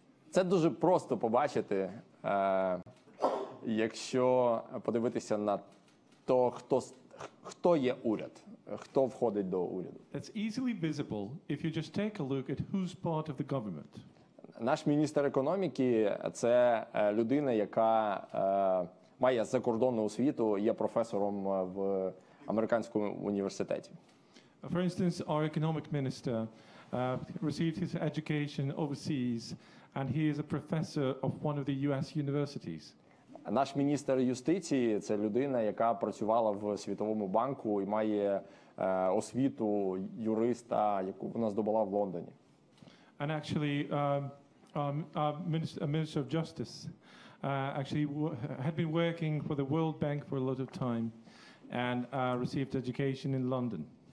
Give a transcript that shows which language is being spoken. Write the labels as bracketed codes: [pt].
[uk] Це дуже просто побачити, якщо подивитися на то, хто є уряд. Хто входить до уряду? [en] That's easily visible if you just take a look at who's part of the government. [uk] Наш міністр економіки – це людина, яка має закордонну освіту, є професором в американському університеті. [en] For instance, our economic minister received his education overseas, and he is a professor of one of the US universities. [uk] Наш міністр юстиції – це людина, яка працювала в Світовому банку і має освіту юриста, яку вона здобула в Лондоні. [en] And actually, a minister of justice actually had been working for the World Bank for a lot of time and received education in London.